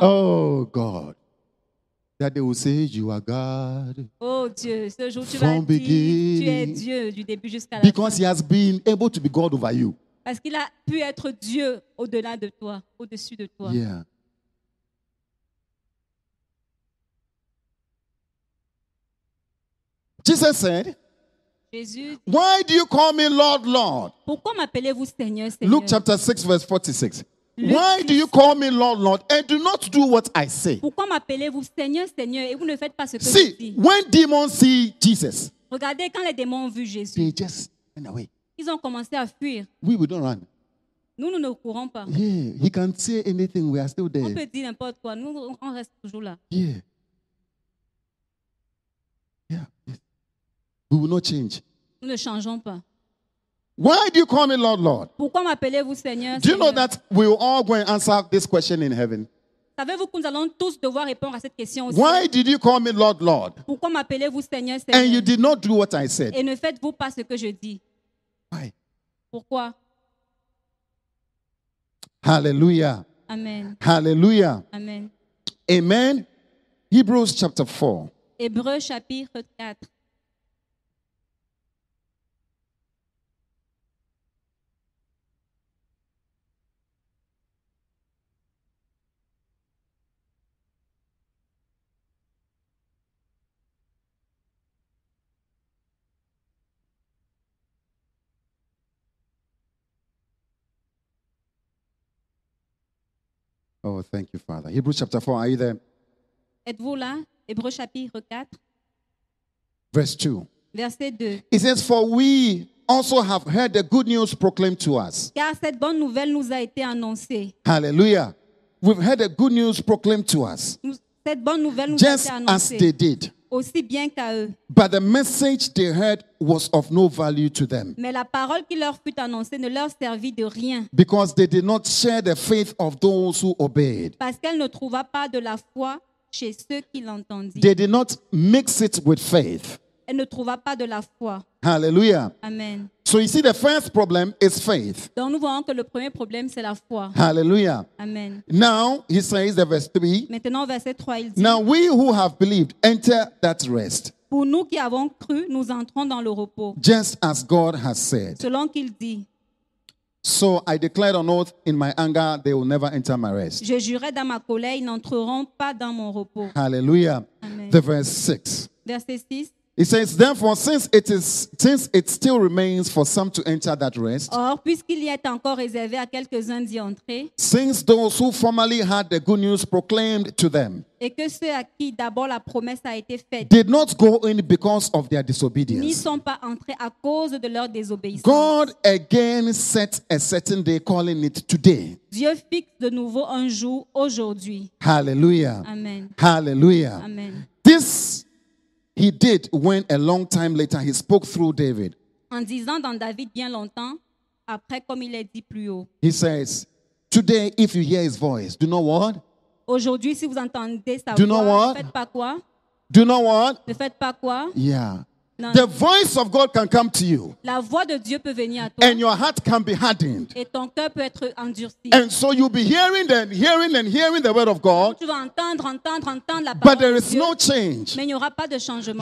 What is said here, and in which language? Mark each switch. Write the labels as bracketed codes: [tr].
[en] Oh God, that they will say you are God. [fr] Oh Dieu, ce jour tu vas dire tu es Dieu du début jusqu'à la [en] because Because he has been able to be God over you. [fr] Parce qu'il a pu être Dieu au-delà de toi, au-dessus de toi. Yeah. [en] Jesus said, [fr] Jésus [en] dit, why do you call me Lord, Lord? [fr] Pourquoi m'appelez-vous Seigneur, Seigneur? [en] Luke chapter 6 verse 46. Why do you call me Lord, Lord, and do not do what I say? [fr] Pourquoi m'appelez-vous Seigneur, Seigneur, et vous ne faites pas ce que [en] see, [fr] je dis? [en] See, when demons see Jesus, [fr] regardez quand les démons ont vu Jésus. [en] They just ran away. [fr] Ils ont commencé à fuir. [en] We don't run. [fr] Nous ne courons pas. [en] Yeah, he can say anything. We are still there. [fr] On peut dire n'importe quoi. Nous, on reste toujours là. Yeah. [en] Yeah. We will not change. [fr] Nous ne changeons pas. [en] Why do you call me Lord, Lord? [fr] Pourquoi m'appelez-vous Seigneur, [en] Seigneur? Do you know that we will all go and answer this question in heaven? [fr] Savez-vous que nous allons tous devoir répondre à cette question aussi? [en] Why did you call me Lord, Lord? [fr] Pourquoi m'appelez-vous Seigneur, Seigneur? [en] And you did not do what I said. [fr] Et ne faites-vous pas ce que je dis? [en] Why? [fr] Pourquoi? Hallelujah. Amen. Hallelujah. Amen. [en] Amen. Hebrews chapter 4. [fr] Hébreux chapitre 4. [en] Oh, thank you, Father. Hebrews chapter 4, are you there? [fr] Êtes-vous là? Hébreux chapitre 4. [en] Verse 2. [fr] Verset 2. [en] It says, for we also have heard the good news proclaimed to us. [fr] Car cette bonne nouvelle nous a été annoncée. Hallelujah. [en] We've heard the good news proclaimed to us. [fr] Cette bonne nouvelle nous [en] just [fr] a été annoncée. [en] As they did. [fr] aussi bien qu'à eux. [en] But the message they heard was of no value to them. [fr] Mais la parole qui leur fut annoncée ne leur servit de rien. [en] Because they did not share the faith of those who obeyed. [fr] Parce qu'elle ne trouva pas de la foi chez ceux qui l'entendirent. [en] They did not mix it with faith. [fr] Elle ne trouva pas de la foi. Hallelujah. Amen. [en] So you see, the first problem is faith. [fr] Donc nous voyons que le premier problème, c'est la foi. Hallelujah. Amen. [en] Now, he says in verse 3. [fr] Maintenant, verset 3, il dit. [en] Now, we who have believed, enter that rest. [fr] Pour nous qui avons cru, nous entrons dans le repos. [en] Just as God has said. [fr] Selon qu'il dit. [en] So I declared on oath in my anger, they will never enter my rest. [fr] Je jurais dans ma colère, ils n'entreront pas dans mon repos. Hallelujah. Amen. [en] The verse 6. [fr] Verset 6. [en] He says, therefore, since it still remains for some to enter that rest, [fr] or, puisqu'il y est encore réservé à quelques-uns d'y entrer, [en] since those who formerly had the good news proclaimed to them, [fr] et que ceux à qui d'abord la promesse a été faite, [en] did not go in because of their disobedience, [fr] n'y sont pas entrés à cause de leur désobéissance. [en] God again set a certain day, calling it today. [fr] Dieu fixe de nouveau un jour aujourd'hui. Hallelujah. Amen. Hallelujah. Amen. [en] This he did when a long time later he spoke through David. [fr] En disant dans David bien longtemps après comme il est dit plus haut. [en] He says, today if you hear his voice, do not what? [fr] Aujourd'hui si vous entendez sa [en] do [fr] voix, [en] not what? [fr] Faites pas quoi? [en] Do not what? [fr] Ne faites pas quoi? Yeah. Non. [en] The voice of God can come to you. [fr] La voix de Dieu peut venir à toi. [en] And your heart can be hardened. [fr] Et ton cœur peut être endurci. [en] And so you'll be hearing the word of God. [fr] Tu vas entendre la parole. [en] But there is [fr] de Dieu, [en] no change. [fr] Mais il n'y aura pas de changement.